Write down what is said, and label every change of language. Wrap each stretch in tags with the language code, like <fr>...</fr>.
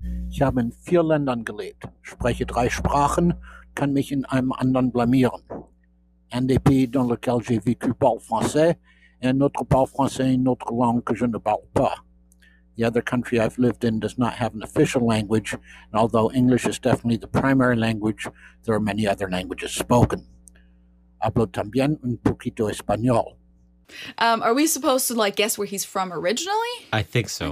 <de>Ich habe in 4 Ländern gelebt, spreche 3 Sprachen, kann mich in einem anderen blamieren.</de> <fr>Un des pays dans lequel j'ai vécu parle français, et un autre parle français une autre langue que je ne parle pas.</fr> <en>The other country I've lived in does not have an official language, and although English is definitely the primary language, there are many other languages spoken.</en> <es>Hablo también un poquito español.</es> <en>Are we supposed to like guess where he's from originally? I think so.</en>